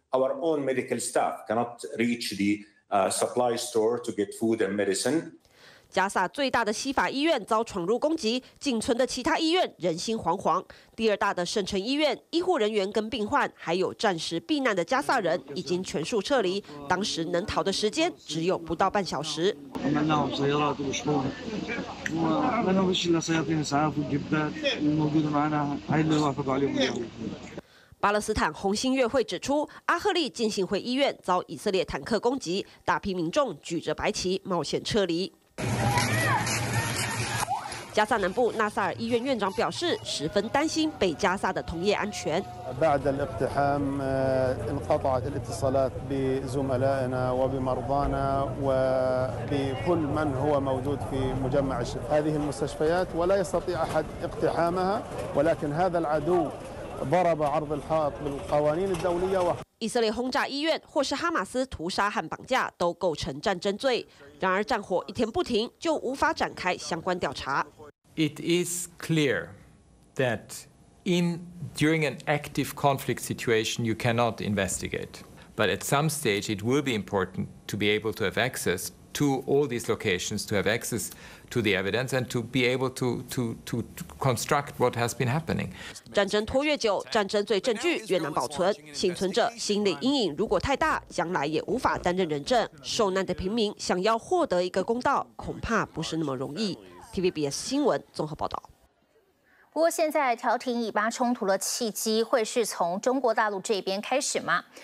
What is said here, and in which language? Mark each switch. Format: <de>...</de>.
<en>Our own medical staff cannot reach the supply store to get food and medicine.</en> <zh>加萨最大的西法医院遭闯入攻击，仅存的其他医院人心惶惶。第二大的圣城医院，医护人员跟病患还有暂时避难的加萨人已经全数撤离，当时能逃的时间只有不到半小时。巴勒斯坦红新月会指出，阿赫利进行会医院遭以色列坦克攻击，大批民众举着白旗冒险撤离。加萨南部纳萨尔医院院长表示，十分担心北加萨的同业安全。</zh> <ar>بعد الاقتحام انقطعت الاتصالات بزملائنا وبمرضانا وبكل من هو موجود في مجمع الشفاء. هذه المستشفيات ولا يستطيع أحد اقتحامها. ولكن هذا العدو ضرب عرض الحائط بالقوانين الدولية.</ar> <zh>以色列轰炸医院或是哈马斯屠杀和绑架都构成战争罪。然而战火一天不停，就无法展开相关调查。</zh> <en>It is clear that during an active conflict situation, you cannot investigate. But at some stage, it will be important to be able to have access to all these locations, to have access to the evidence, and to be able to construct what has been happening.</en> <zh>战争拖越久，战争罪证据越难保存。幸存者心理阴影如果太大，将来也无法担任人证。受难的平民想要获得一个公道，恐怕不是那么容易。 TVBS 新闻综合报道。不过，现在调停以巴冲突的契机会是从中国大陆这边开始吗？</zh>